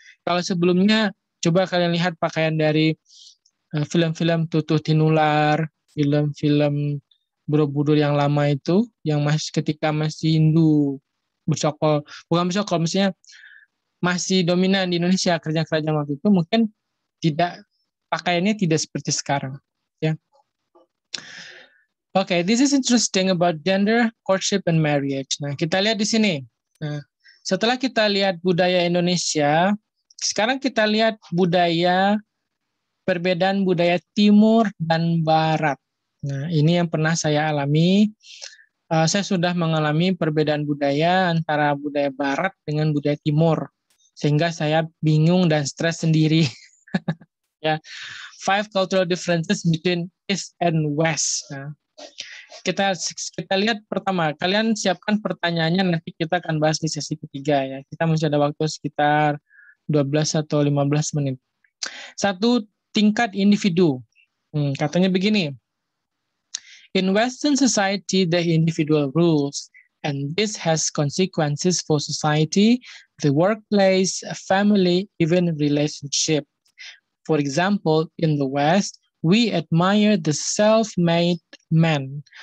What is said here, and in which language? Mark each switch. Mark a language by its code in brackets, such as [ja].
[id] Kalau sebelumnya, coba kalian lihat pakaian dari film-film Tutuh Tinular, film-film Borobudur yang lama itu, yang masih ketika masih Hindu bersokol, bukan bersokol, maksudnya masih dominan di Indonesia kerajaan-kerajaan waktu itu, mungkin tidak pakaiannya tidak seperti sekarang. Ya. [en] Okay, this is interesting about gender, courtship, and marriage. [id] Nah, kita lihat di sini. Nah, setelah kita lihat budaya Indonesia, sekarang kita lihat budaya, perbedaan budaya timur dan barat. Nah, ini yang pernah saya alami. Saya sudah mengalami perbedaan budaya antara budaya barat dengan budaya timur. Sehingga saya bingung dan stres sendiri. Yeah. [en] Five cultural differences between East and West. [id] Nah, kita lihat pertama, kalian siapkan pertanyaannya, nanti kita akan bahas di sesi ketiga. Ya. Kita masih ada waktu sekitar 12 atau 15 menit. Satu, tingkat individu. Katanya begini. [en] In Western society, the individual rules, and this has consequences for society, the workplace, family, even relationship. For example, in the West, we admire the self-made man.